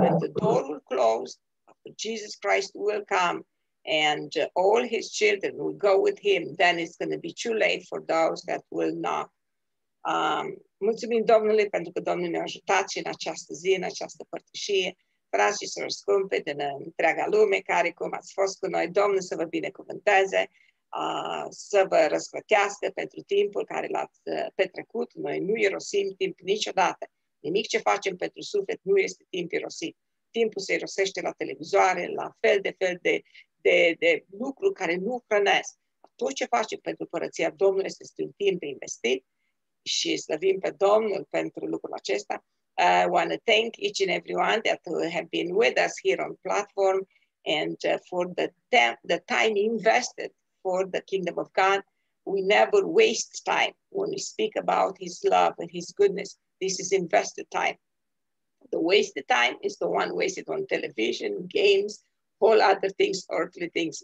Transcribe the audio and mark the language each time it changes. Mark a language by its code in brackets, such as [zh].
[en] When the door will close, Jesus Christ will come and all his children will go with him, then it's going to be too late for those that will not. [ro] Mulțumim Domnului pentru că Domnul ne-a ajutat și în această zi, în această părtășie. Frați și sori scumpe din întreaga lume, care cum ați fost cu noi, Domnul să vă binecuvânteze, să vă răsplătească pentru timpul care l-ați petrecut. Noi nu irosim timp niciodată. Nimic ce facem pentru suflet nu este timp irosit. Timpul se irosește la televizoare, la fel de lucruri care nu hrănesc. Tot ce facem pentru părăția Domnului este un timp investit. Și slăvim pe Domnul pentru lucrul acesta. [en] I want to thank each and everyone that have been with us here on platform and for the time invested for the kingdom of God. We never waste time when we speak about his love and his goodness. This is invested time. The wasted time is the one wasted on television, games, all other things, earthly things.